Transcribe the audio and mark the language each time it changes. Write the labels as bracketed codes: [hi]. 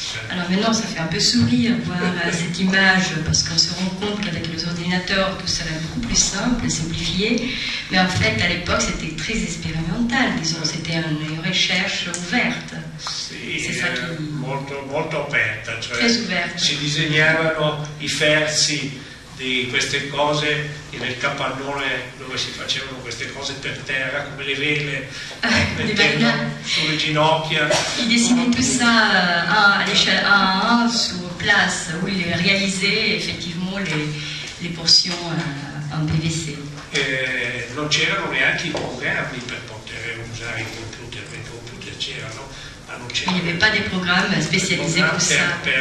[fr] Alors maintenant, ça fait un peu sourire voir cette image, parce qu'on se rend compte qu'avec les ordinateurs, tout cela est beaucoup plus simple, simplifié. Mais en fait, à l'époque, c'était très expérimental, disons, c'était une recherche ouverte. Sì, c'est ça qui... [it] molto, molto aperta, cioè [fr] très ouverte. [it] Si disegnavano i versi di queste cose nel capannone dove si facevano queste cose per terra, come le vele, mettendo sulle ginocchia. [fr] I dessinaient tout ça à l'échelle 1-1 sur place, où ils réalisaient effectivement les portions en PVC. [it] Non c'erano neanche i programmi per poter usare i computer, perché i computer c'erano, ma non c'erano. [fr] Il n'y avait pas des programmes spécialisés pour ça.